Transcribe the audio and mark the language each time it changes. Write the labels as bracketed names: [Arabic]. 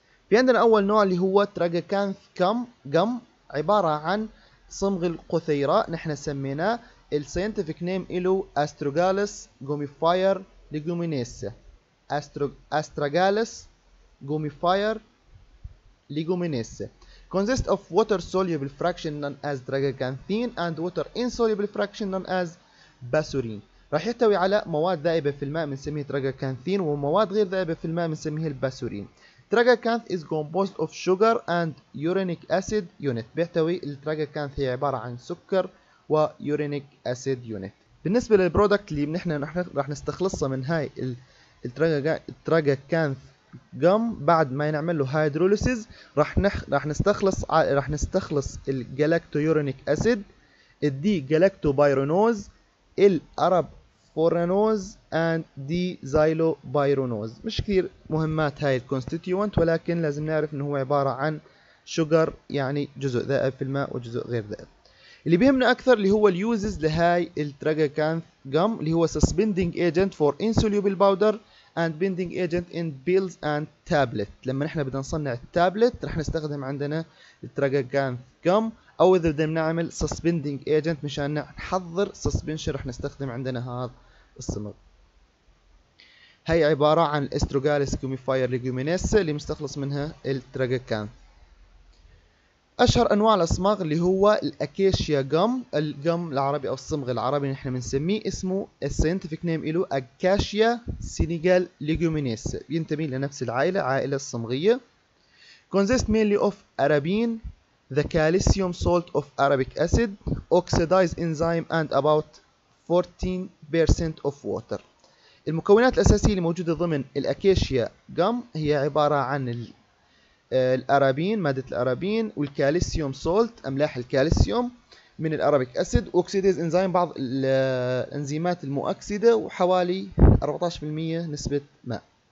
[Arabic] في عندنا اول نوع اللي هو تراجاكانث كم جم، عباره عن صمغ القثيره نحن سميناه، الساينتفك نيم له استروغاليس جوميفاير ليجومينيسا، استروغاليس جوميفاير ليجومينيسا. [English] Consist of water soluble fraction known as tragacanthin and water insoluble fraction known as bassorin. [Arabic] راح يحتوي على مواد ذائبه في الماء بنسميه تراجاكانثين، ومواد غير ذائبه في الماء بنسميه الباسورين. [English] Tragacanth is composed of sugar and uronic acid unit. [Arabic] بيحتوي التراجاكانث هي عبارة عن سكر و uronic acid unit. بالنسبة للبرودكت اللي نحن راح نستخلصها من هاي التراجاكانث gum بعد ما نعمل له hydrolysis، راح نستخلص الجالاكتو uronic acid، الدي جالاكتو بايرونوز، الأرب فورانوز and دي زايلو بايرونوز. مش كثير مهمات هاي الكونستيتيوانت، ولكن لازم نعرف انه هو عبارة عن شجر، يعني جزء ذائب في الماء وجزء غير ذائب. اللي بيهمنا اكثر اللي هو اليوزز لهاي التراجاكانث جم، اللي هو [English] suspending agent for insoluble powder and binding agent in pills and tablet. [Arabic] لما نحن بدنا نصنع التابلت رح نستخدم عندنا التراجاكانث جم، او اذا بدنا نعمل suspending agent مشان نحضر suspension رح نستخدم عندنا هذا الصمغ. هي عبارة عن الاستروغاليس كوميفاير ليجومينيسا اللي مستخلص منها التراجاكانث. اشهر انواع الاصماغ اللي هو الاكاشيا جم، الجم العربي او الصمغ العربي نحن بنسميه، اسمه الساينتفك نيم له اكاشيا سينيغال ليجومينيسا، ينتمي لنفس العائلة، عائلة الصمغية. [English] consists mainly of arabin, the calcium salt of arabic acid, oxidized enzyme and about 14% of water. [Arabic] المكونات الاساسية اللي موجودة ضمن الاكاشيا جم هي عبارة عن الارابين، مادة الارابين، والكالسيوم سولت، املاح الكالسيوم من الارابيك اسيد، اوكسيديز انزيم، بعض الانزيمات المؤكسدة، وحوالي 14% نسبة ماء.